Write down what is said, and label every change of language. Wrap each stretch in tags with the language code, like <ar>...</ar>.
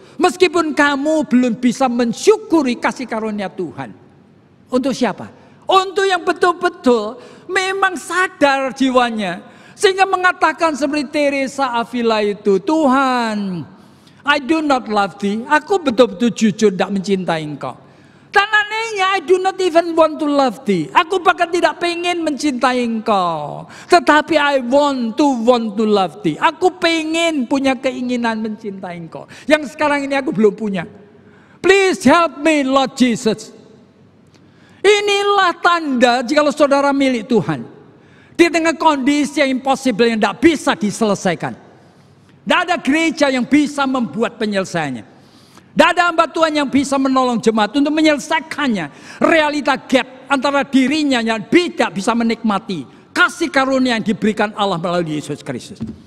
<id>Meskipun kamu belum bisa mensyukuri kasih karunia Tuhan. Untuk siapa? Untuk yang betul-betul memang sadar jiwanya. Sehingga mengatakan seperti Teresa Avila itu, Tuhan,</id> <en>I do not love thee.</en> <id>Aku betul-betul jujur tidak mencintai engkau. Dan anehnya,</id> <en>I do not even want to love thee.</en> <id>Aku bahkan tidak ingin mencintai engkau. Tetapi</id> <en>I want to love thee.</en> <id>Aku ingin punya keinginan mencintai engkau. Yang sekarang ini aku belum punya.</id> <en>Please help me, Lord Jesus.</en> <id>Inilah tanda jika saudara milik Tuhan. Di tengah kondisi yang impossible yang tidak bisa diselesaikan. Tidak ada gereja yang bisa membuat penyelesaiannya. Tidak ada hamba Tuhan yang bisa menolong jemaat untuk menyelesaikannya. Realita gap antara dirinya yang tidak bisa menikmati kasih karunia yang diberikan Allah melalui Yesus Kristus.</id>